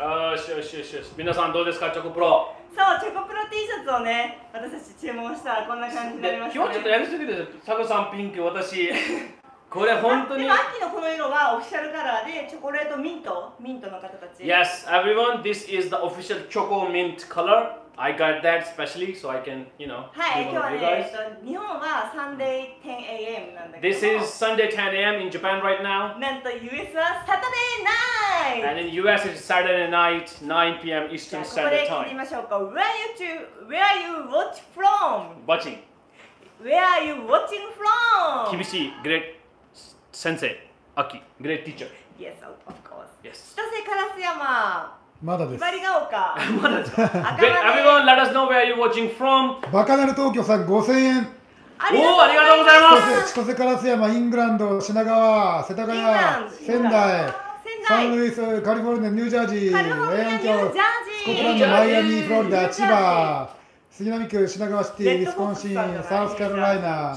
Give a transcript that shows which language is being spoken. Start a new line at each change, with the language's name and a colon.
Japanese: よしよしよしよし、皆さんどうですか、チョコプロ。そう、チョコプロ T シャツをね、私たち注文したらこんな感じになりましたね。今日ちょっとやりすぎですよ、佐藤さんピンク、私これ本当に。でも秋のこの色はオフィシャルカラーで、チョコレートミント、ミントの方たち。
English: Yes, everyone, this is the official choco mint color. I got that specially so I can, you know.
Japanese: はい、今日はね、日本はサンデー 10 AM なんだけど、
English: This is Sunday 10 AM in Japan right now.
Japanese: なんと US はサタデーナイト。
English: And in US is Saturday night 9 PM Eastern Standard Time.
Japanese: じゃあここで聞いてみましょうか。
English: Where are you watching from? Where are you watching from?
Japanese: 厳しい、グレッ先生、アキ、グレートティーチャー。
English: Yes, of course. Yes.
Japanese: 千歳烏山。まだです。ひばりが丘。まだですか。
English: Everyone, let us know where you're watching from.
Japanese: バカなる東京さん、5000円。おー、ありがとうございます。千歳烏山、イングランド、品川、世田谷、仙台、サンルイス、カリフォルニア、ニュージャージー、カリフォルニア、ニュージャージー、スコットランド、マイアミ、フロリダ、千葉、杉並区、品川シティ、ウィスコンシン、サウスカロライナ、